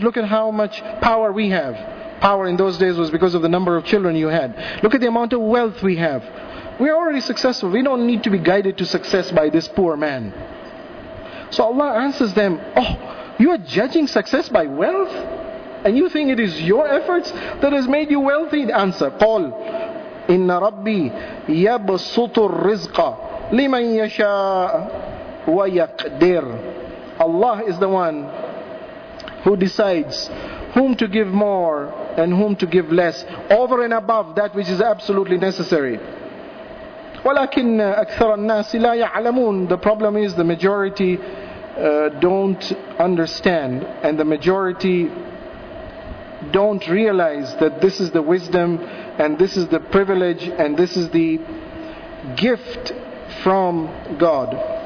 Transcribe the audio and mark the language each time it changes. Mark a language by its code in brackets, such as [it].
[en] Look at how much power we have. Power in those days was because of the number of children you had. Look at the amount of wealth we have. We're already successful. We don't need to be guided to success by this poor man. So Allah answers them, oh, you are judging success by wealth? And you think it is your efforts that has made you wealthy? Answer, [ar] قَالْ إِنَّ رَبِّي يَبْسُطُ الرِّزْقَ لِمَنْ يَشَاءُ وَيَقْدِرُ. [en] Allah is the one who decides whom to give more and whom to give less, over and above that which is absolutely necessary. [ar] ولكن أكثر الناس لا يعلمون. [en] The problem is the majority don't understand, and the majority don't realize that this is the wisdom and this is the privilege and this is the gift from God.